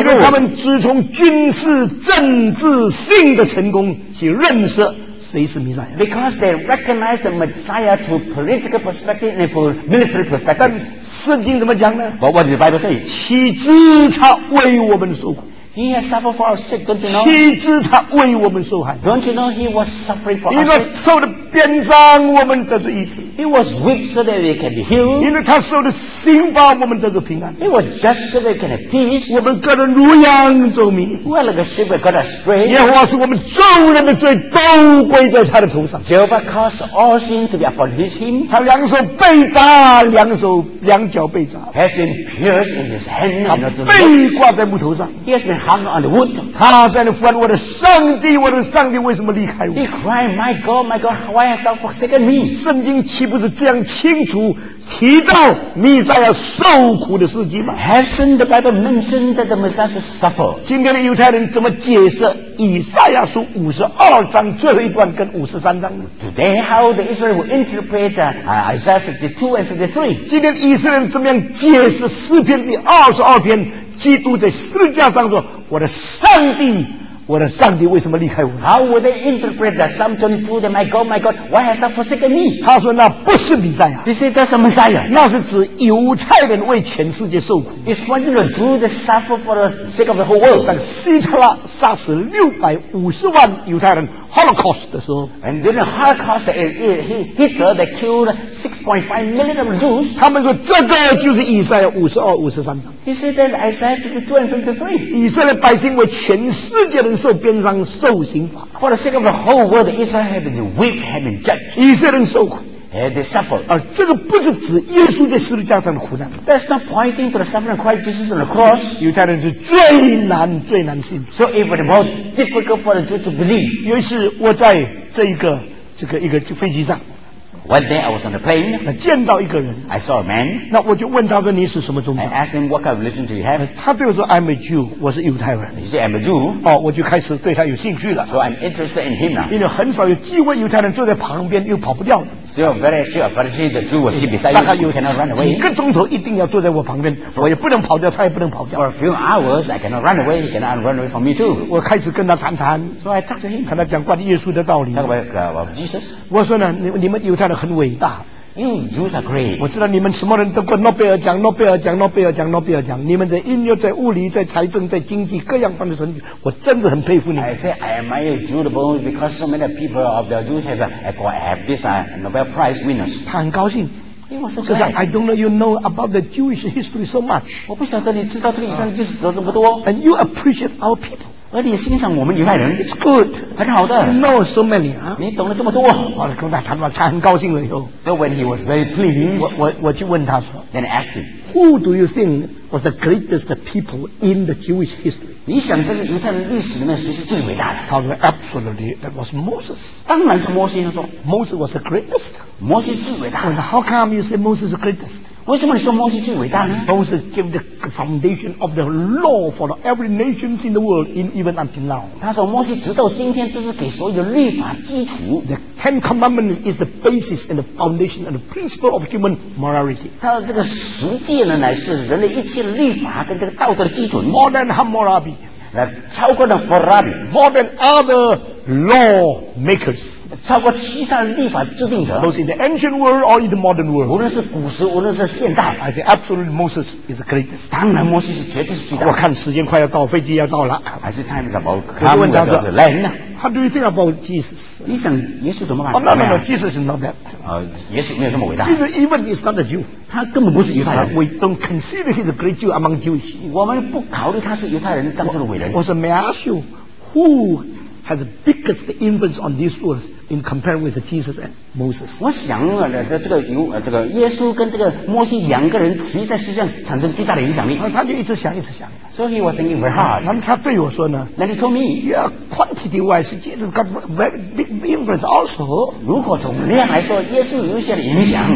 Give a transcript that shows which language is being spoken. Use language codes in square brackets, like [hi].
[zh] 因为他们只从军事、政治性的成功去认识谁是弥赛亚。 [en] Because they recognize the Messiah through political perspective and through military perspective. [zh] 但圣经怎么讲呢 [en] ？But what did the Bible say? [zh] 岂知他为我们受苦。 [en] He has suffered for our sake, don't you know? [zh] 岂知他为我们受害 [en] ？Don't you know he was suffering for our sake? [zh] 因为受的鞭伤，我们得着医治。 [en] He was whipped so that we can be healed. [zh] 因为他受的刑罚，我们得着平安。 [en] He was judged so that we can have peace. [zh] 我们个人如羊走迷。 [en] We are like a sheep that got astray. [zh] 耶和华说，我们众人的罪都归在他的头上。 [en] Jehovah caused all sin to be upon his him. [zh] 他两手被扎，两脚被扎。 [en] Has been pierced in his hand. [zh] 他被挂在木头上。 [en] He has been hung on the wood. [zh] 他在那呼喊，我的上帝，我的上帝，为什么离开我 [en] ？He cried, My God, My God, why hast thou forsaken me? [zh] 圣经岂不是这样清楚提到弥赛亚受苦的事迹吗 [en] ？Hasn't the Bible mentioned that the Messiah should suffer? [zh] 今天的犹太人怎么解释以赛亚书五十二章最后一段跟五十三章 [en] ？Today, how the Israelites will interpret Isaiah 52 and 53? [zh] 今天以色列人怎么样解释诗篇第二十二篇，基督在十字架上说：“我的上帝。” 我的上帝为什么离开我 [en] How would they interpret that Psalm 22 that my God, why has thou forsaken me? [zh] 他说那不是弥赛亚 [en] He said that's the Messiah [zh] 那是指犹太人为全世界受苦 [en] It's pointing to the Jews that suffer for the sake of the whole world [zh] 当希特拉杀死650万犹太人 Holocaust 的时候 [en] And then the Holocaust Hitler that killed 6.5 million of Jews [zh] 他们说这个就是以赛亚52-53章 [en] He said that Isaiah 52 and 53 [zh] 以色列百姓为全世界受鞭伤受刑罚 [en] For the sake of the whole world Israel had been whipped had been judged [zh] 以色列人受苦 [en] they suffer. [zh] 而这个不是指耶稣在十字架上的苦难。 [en] That's not pointing to the suffering Christ Jesus on the cross. [zh] 犹太人是最难最难信。 [en] So if it's more difficult for the Jew to believe. [zh] 尤其是我在这一个这个一个飞机上。 [en] One day I was on a plane. [zh] 那见到一个人。 [en] I saw a man. [zh] 那我就问他说你是什么宗教。 [en] I asked him what kind of religion do you have. [zh] 他对我说 [en] I'm a Jew. [zh] 我是犹太人。 [en] He said I'm a Jew. [zh] 哦，我就开始对他有兴趣了。 [en] So I'm interested in him now. [zh] 因为很少有机会犹太人坐在旁边又跑不掉的。 [en] So very sure, but see the Jew was beside you. You cannot run away. [zh] 几个钟头一定要坐在我旁边，我也不能跑掉，他也不能跑掉。 [en] For a few hours, I cannot run away. He cannot run away from me too. [zh] 我开始跟他谈谈。 [en] So I talked to him. [zh] 跟他讲关于耶稣的道理。 [en] Talk about Jesus. [zh] 我说呢，你们犹太人很伟大。 [en] You Jews are great. [zh] 我知道你们什么人都过诺贝尔奖，诺贝尔奖，诺贝尔奖，诺贝尔奖。你们在音乐、在物理、在财政、在经济各样方面的成就，我真的很佩服你们。 [en] I say I admire Jews bones because so many people of the Jews have this Nobel Prize winners. [zh] 他很高兴。 [en] He was so glad. I don't know you know about the Jewish history so much. [zh] 我不晓得你知道这个以上历史这么多。 [en] And you appreciate our people. [zh] 而你欣赏我们犹太人 [en] ，It's good， [zh] 很好的。 [en] You know so many 啊， [zh] 你懂了这么多。我跟他谈话，他很高兴了又。 [en] So when he was very pleased， [zh] 我就问他说 [en] ，Then I asked him， Who do you think was the greatest people in the Jewish history？ [zh] 你想这个犹太人历史里面谁是最伟大的？他说 [en] ，Absolutely， that was Moses。 [zh] 当然是摩西。他说 [en] ，Moses was the greatest。 [zh] 摩西最伟大。 [en] Well, how come you say Moses the greatest？ [zh] 为什么你说摩西最伟大呢 [en] ？Moses gave the foundation of the law for every nations in the world, even until now. [zh] 他说摩西直到今天都是给所有律法基础。 [en] The Ten Commandments is the basis and the foundation and the principle of human morality. [zh] 他说这个十诫呢，乃是人类一切律法跟这个道德的基准。 [en] More than Hammurabi. [zh] 那超过了 Hammurabi. [en] More than other law makers. [zh] 超过其他立法制定者 [en] both in the ancient world or in the modern world [zh] 无论是古时无论是现代 [en] I think absolutely Moses is the greatest [zh] 当然摩西是绝对是最大我看时间快要到飞机要到了 [en] I think time is about coming to the land How do you think about Jesus [zh] 你想耶稣怎么办 [en] Oh no Jesus is not that [zh] 耶稣没有这么伟大 [en] Jesus even is not a Jew [zh] 他根本不是犹太人 [en] We don't consider he's a great Jew among Jews [zh] 我们不考虑他是犹太人当中的伟人我说 [en] May I ask you who has the biggest influence on this worldIn comparing with Jesus and Moses, [zh] 我想啊，这个耶稣跟这个摩西两个人，实际在世界上产生巨大的影响力。他就一直想，一直想。 [en] So he was thinking very hard. [zh] 那么他对我说呢 [en] ？Then he told me, yeah, quantity wise, Jesus got very big influence. Also, [zh] 如果总量来说，耶稣有些的影响。